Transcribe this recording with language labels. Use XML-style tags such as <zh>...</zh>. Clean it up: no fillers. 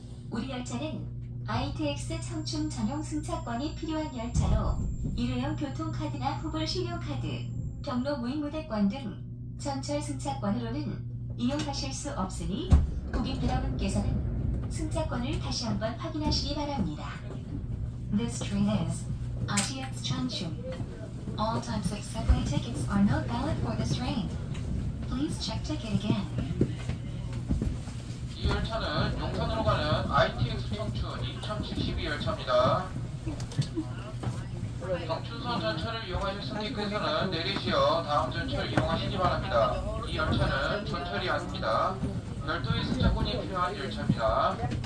<ko>우리 열차는 ITX 청춘 전용 승차권이 필요한 열차로 일회용 교통카드나 후불 신용카드, 경로 무인무대권 등 전철 승차권으로는 이용하실 수 없으니 고객 여러분께서는 승차권을 다시 한번 확인하시기 바랍니다.</ko> <en>This train is ITX 청춘. All types of subway tickets are not valid for this train. Please check ticket again.</en> <ko>이 열차는 용산으로 가는 ITX 청춘 2072 열차입니다. 청춘선 전철을 이용하실 승객께서는 내리시어 다음 전철을 이용하시기 바랍니다. 이 열차는 전철이 아닙니다. 별도의 승차권이 필요한 열차입니다.</ko>